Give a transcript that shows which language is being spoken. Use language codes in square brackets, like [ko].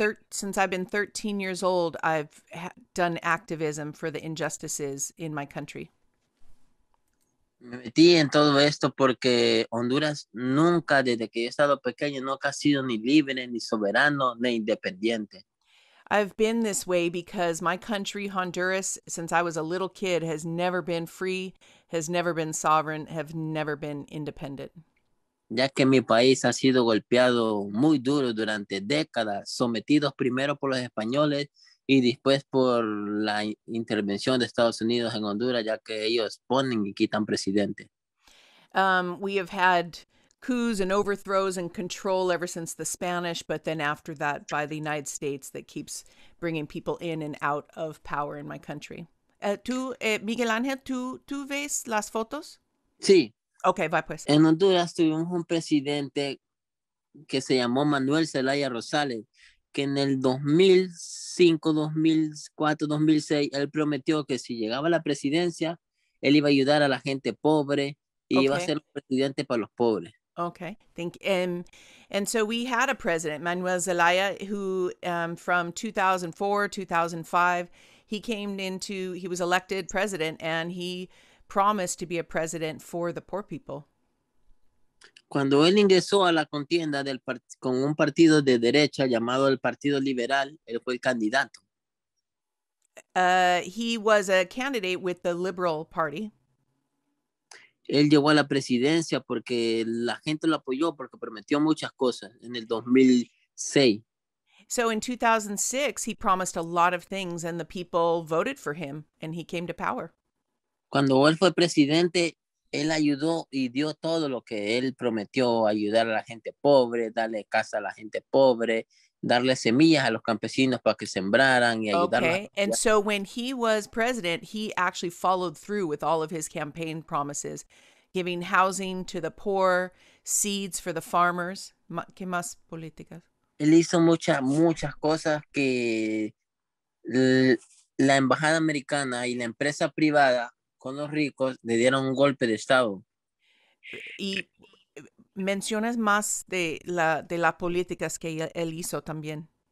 [en] Since I've been 13 years old, I've done activism for the injustices in my country. [es] Me metí en todo esto porque Honduras nunca, desde que yo he estado pequeño, nunca ha sido ni libre, ni soberano, ni independiente. [en] I've been this way because my country, Honduras, since I was a little kid, has never been free, has never been sovereign, have never been independent. [es] Ya que mi país ha sido golpeado muy duro durante décadas, sometidos primero por los españoles y después por la intervención de Estados Unidos en Honduras, ya que ellos ponen y quitan presidente. [en] We have had coups and overthrows and control ever since the Spanish, but then after that by the United States that keeps bringing people in and out of power in my country. [es] Miguel Ángel, ¿tú ves las fotos? Sí. [en] Okay, bye, pues. [es] En Honduras tuvimos un presidente que se llamó Manuel Zelaya Rosales, que en el 2005, 2004, 2006, él prometió que si llegaba a la presidencia, él iba a ayudar a la gente pobre y okay. Iba a ser presidente para los pobres. [en] Okay, thank you. And so we had a president, Manuel Zelaya, who from 2004, 2005, he came into, he was elected president, and he promised to be a president for the poor people. [es] Cuando él ingresó a la contienda del con un partido de derecha llamado el Partido Liberal, él fue el candidato. [en] He was a candidate with the Liberal Party. [es] Él llegó a la presidencia porque la gente lo apoyó porque prometió muchas cosas en el 2006. [en] So in 2006, he promised a lot of things and the people voted for him and he came to power. [es] Cuando él fue presidente, él ayudó y dio todo lo que él prometió, ayudar a la gente pobre, darle casa a la gente pobre, darle semillas a los campesinos para que sembraran y ayudar. [en] Okay, and so when he was president, he actually followed through with all of his campaign promises, giving housing to the poor, seeds for the farmers. [es] ¿Qué más políticas? Él hizo muchas cosas que la embajada americana y la empresa privada con los ricos le dieron un golpe de estado. Y mencionas más de las políticas que él hizo también.